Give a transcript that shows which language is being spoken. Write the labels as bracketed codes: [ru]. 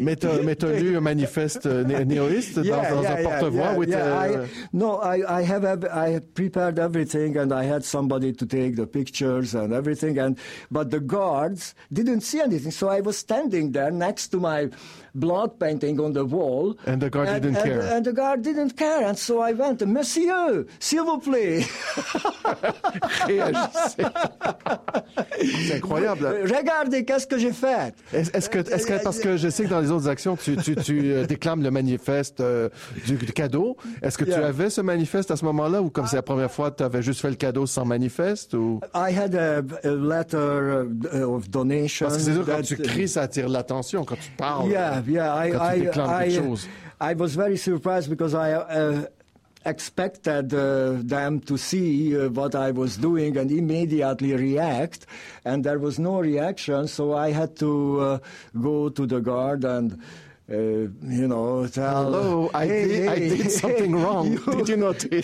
[fr] Mais t'as lu un manifeste néoïste dans un porte-voix? [en] I prepared everything and I had somebody to take the pictures and everything. But the guards didn't see anything. So I was standing there next to my blood painting on the wall. And the guard didn't care. And the guard didn't care. And so I went, [fr] Monsieur, s'il vous plaît. C'est incroyable. Regardez, qu'est-ce que j'ai fait? Parce que je sais que dans les autres actions, tu déclames le manifeste du cadeau. Est-ce que tu avais ce manifeste à ce moment-là ou comme c'est la première fois, tu avais juste fait le cadeau sans manifeste? Ou... [en] I had a letter of donation. [fr] Parce que c'est sûr, quand tu cries, ça attire l'attention, quand tu parles. [en] Yeah. I was very surprised because I expected them to see what I was doing and immediately react, and there was no reaction, so I had to go to the guard and tell... Hello, I did something wrong. Did you notice?